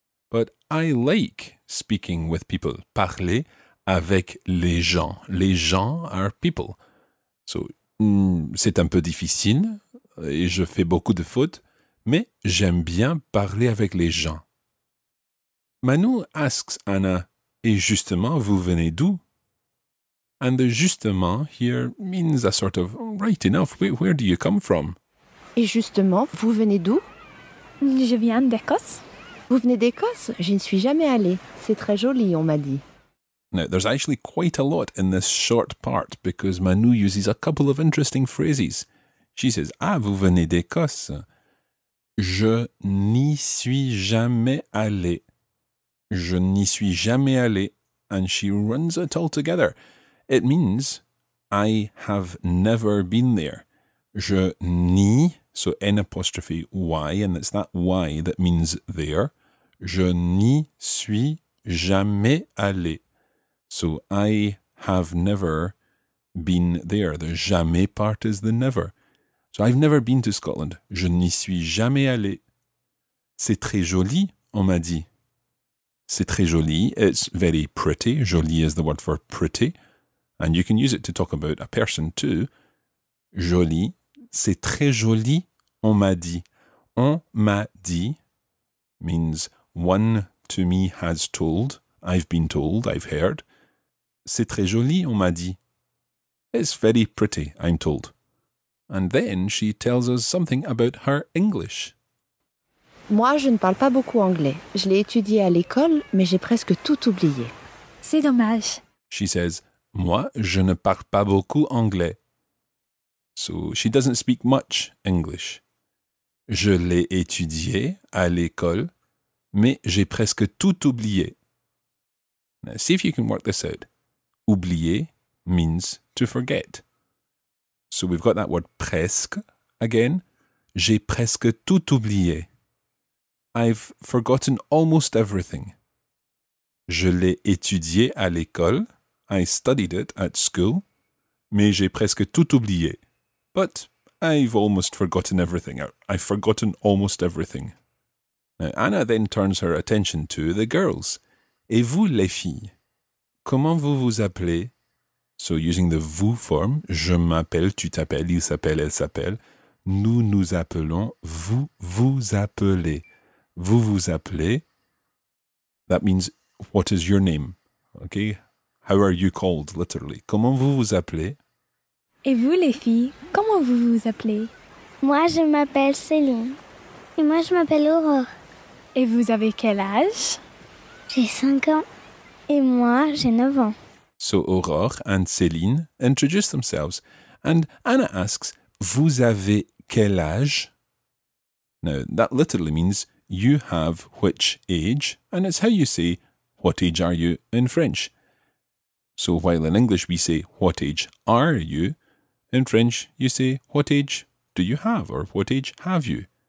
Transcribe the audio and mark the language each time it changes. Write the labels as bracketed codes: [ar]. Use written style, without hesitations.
[en] But I like speaking with people. [fr] Parler avec les gens. Les gens [en] are people. [fr] So, c'est un peu difficile, et je fais beaucoup de fautes, mais j'aime bien parler avec les gens. [en] Manu asks Anna, [fr] et justement, vous venez d'où? [en] And the justement here means a sort of, right enough, where do you come from? [fr] Et justement, vous venez d'où? Je viens d'Écosse. Vous venez d'Écosse? Je ne suis jamais allée. C'est très joli, on m'a dit. [en] Now, there's actually quite a lot in this short part because Manu uses a couple of interesting phrases. She says, ah, [fr] vous venez d'Écosse. Je n'y suis jamais allé. Je n'y suis jamais allé. [en] And she runs it all together. It means, I have never been there. [fr] Je n'y, [en] so N apostrophe Y, and it's that Y that means there. [fr] Je n'y suis jamais allé. [en] So I have never been there. The jamais part is the never. So I've never been to Scotland. [fr] Je n'y suis jamais allé. C'est très joli, on m'a dit. C'est très joli. [en] It's very pretty. Joli is the word for pretty. And you can use it to talk about a person too. [fr] joli, c'est très joli, on m'a dit. On m'a dit [en] means one to me has told, I've been told, I've heard. [fr] C'est très joli, on m'a dit. [en] It's very pretty, I'm told. And then she tells us something about her English. [fr] Moi, je ne parle pas beaucoup anglais. Je l'ai étudié à l'école, mais j'ai presque tout oublié. C'est dommage. [en] She says, [fr] moi, je ne parle pas beaucoup anglais. [en] So, she doesn't speak much English. [fr] Je l'ai étudié à l'école, mais j'ai presque tout oublié. [en] Now, see if you can work this out. Oublier means to forget. So, we've got that word presque again. [fr] J'ai presque tout oublié. [en] I've forgotten almost everything. [fr] Je l'ai étudié à l'école. [en] I studied it at school. [fr] Mais j'ai presque tout oublié. [en] But I've almost forgotten everything. I've forgotten almost everything. Now, Anna then turns her attention to the girls. [fr] Et vous, les filles? Comment vous vous appelez? [en] So using the vous form, [fr] je m'appelle, tu t'appelles, il s'appelle, elle s'appelle. Nous nous appelons, vous vous appelez. Vous vous appelez. [en] That means, what is your name? Okay, how are you called, literally? [fr] Comment vous vous appelez? Et vous, les filles, comment vous vous appelez? Moi, je m'appelle Céline. Et moi, je m'appelle Aurore. Et vous avez quel âge? J'ai 5 ans. Et moi, j'ai 9 ans. [en] So, Aurore and Céline introduce themselves. And Anna asks, [fr] vous avez quel âge? [en] Now, that literally means, you have which age? And it's how you say, what age are you in French? So while in English we say, what age are you? In French you say, what age do you have? Or what age have you?